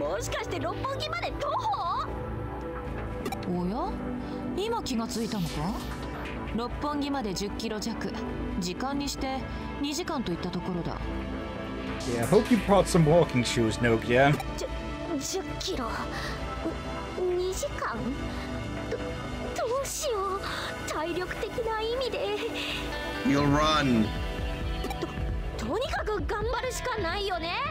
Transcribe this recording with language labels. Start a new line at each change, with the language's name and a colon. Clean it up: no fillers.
Japanese: やった、もしかして六本木まで徒歩？おや、今気がついたのか。六本木まで10キロ弱、時間にして2時間といったところだ。
English: Yeah, hope you brought some walking shoes, Nokia.
Japanese: 10キロ、2時間、どうしよう、体力的な意味で。
English: You'll run.
Japanese: とにかく頑張るしかないよね。